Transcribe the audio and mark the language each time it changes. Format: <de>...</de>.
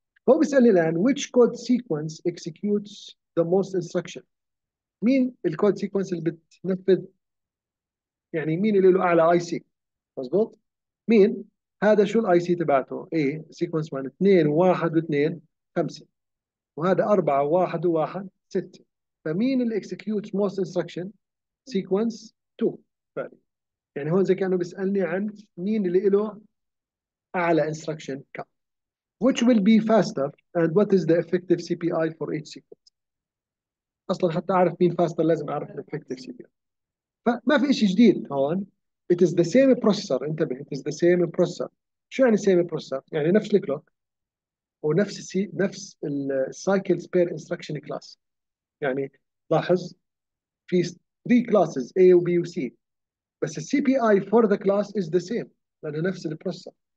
<ar>هو بيسالني الان</ar> <en>which code sequence executes the most instruction؟</en> <ar>مين الكود سيكونس اللي بتنفذ، يعني مين اللي له اعلى اي سي؟ مضبوط؟ مين؟ هذا شو الاي سي تبعته؟ A sequence 1 2 1 و2 5، وهذا 4 1 و1 6. فمين اللي</ar> <en>executes most instruction sequence 2 فعلي.</en> <ar>يعني هون زي كانه بيسالني عن مين اللي له اعلى instruction count.</ar> <en>Which will be faster and what is the effective CPI for each sequence؟</en> <ar>اصلا حتى اعرف مين</ar> <en>faster</en> <ar>لازم اعرف</ar> <en>the effective CPI.</en> <ar>فما في شيء جديد هون.</ar> <en>It is the same processor، انتبه it is the same processor.</en> <ar>شو يعني same processor؟ يعني نفس الكلوك ونفس نفس ال cycles per instruction class. يعني لاحظ في 3 classes A و B و C، بس الـ CPI</ar> <en>for the class is the same</en> <ar>لأنه نفس البروسيسور.</ar>